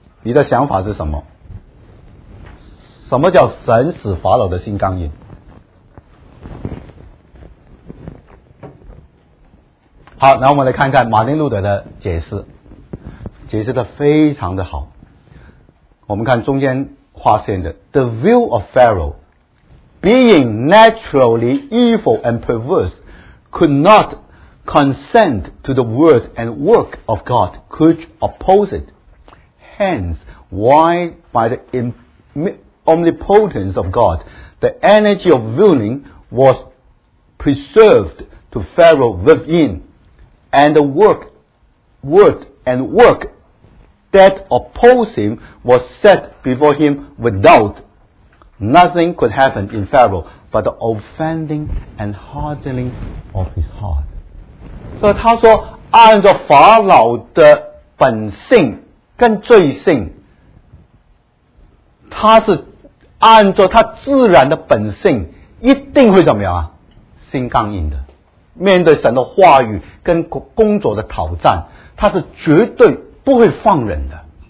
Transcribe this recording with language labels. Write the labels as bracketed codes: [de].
[zh] 你的想法是什么？什么叫神使法老的心刚硬？好，那我们来看看马丁路德的解释，解释得非常的好。我们看中间划线的 [en] The will of Pharaoh being naturally evil and perverse could not consent to the word and work of God could oppose it. Hence why by the omnipotence of God the energy of willing was preserved to Pharaoh within and the word that opposed him was set before him without. Nothing could happen in Pharaoh but the offending and hardening of his heart. [zh] 所以他说按照法老的本性跟罪性，他是按照他自然的本性一定会怎么样啊？心刚硬的，面对神的话语跟工作的挑战，他是绝对不会放人的。